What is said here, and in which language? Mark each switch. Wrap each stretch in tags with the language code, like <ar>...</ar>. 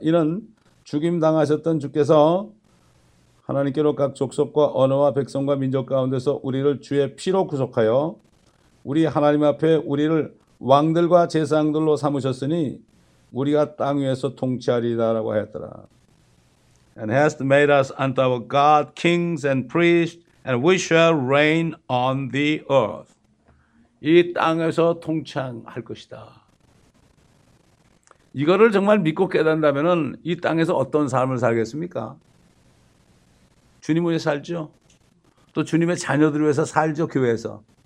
<ko>이는 죽임당하셨던 주께서 하나님께로 각 족속과 언어와 백성과 민족 가운데서 우리를 주의 피로 구속하여 우리 하나님 앞에 우리를 왕들과 제사장들로 삼으셨으니 우리가 땅 위에서 통치하리다 라고 하였더라.</ko> <en>And has made us unto our God kings and priests And we shall reign on the earth.</en> <ko>이 땅에서 통치할 것이다. 이거를 정말 믿고 깨닫는다면 이 땅에서 어떤 삶을 살겠습니까? 주님을 위해 살죠. 또 주님의 자녀들을 위해서 살죠. 교회에서.</ko>